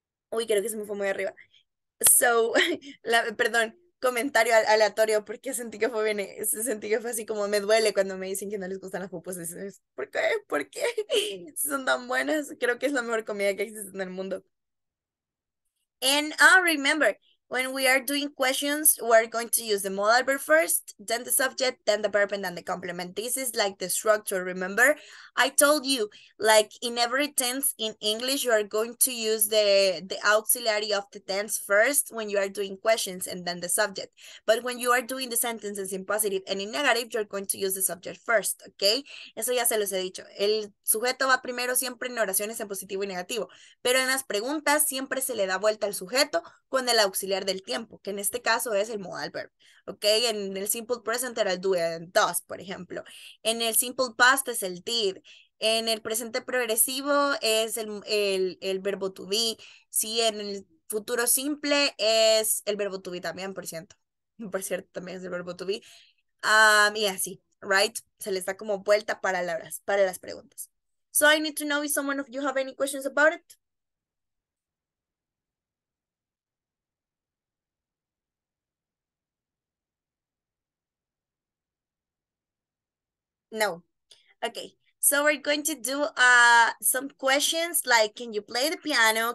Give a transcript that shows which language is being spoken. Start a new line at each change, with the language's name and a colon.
Spanish: Uy, creo que se me fue muy arriba. So, perdón, comentario aleatorio porque sentí que fue así como me duele cuando me dicen que no les gustan las pupusas. ¿Por qué? ¿Por qué? Son tan buenas. Creo que es la mejor comida que existe en el mundo.
English: And remember, when we are doing questions, we're going to use the modal verb first, then the subject, then the verb, and then the complement. This is like the structure, remember? I told you, like in every tense in English, you are going to use the auxiliary of the tense first when you are doing questions and then the subject. But when you are doing the sentences in positive and in negative, you're going to use the subject first, okay?
Spanish: Eso ya se los he dicho. El sujeto va primero siempre en oraciones en positivo y negativo, pero en las preguntas siempre se le da vuelta al sujeto con el auxiliar del tiempo, que en este caso es el modal verb, ¿ok? En el simple present era el do and does, por ejemplo. En el simple past es el did. En el presente progresivo es el verbo to be. Sí, en el futuro simple es el verbo to be también, por cierto. Por cierto, también es el verbo to be. Y así,
English: right?
Spanish: Se les da como vuelta para las preguntas.
English: So I need to know if someone of you have any questions about it. No. Okay. So we're going to do some questions like, can you play the piano?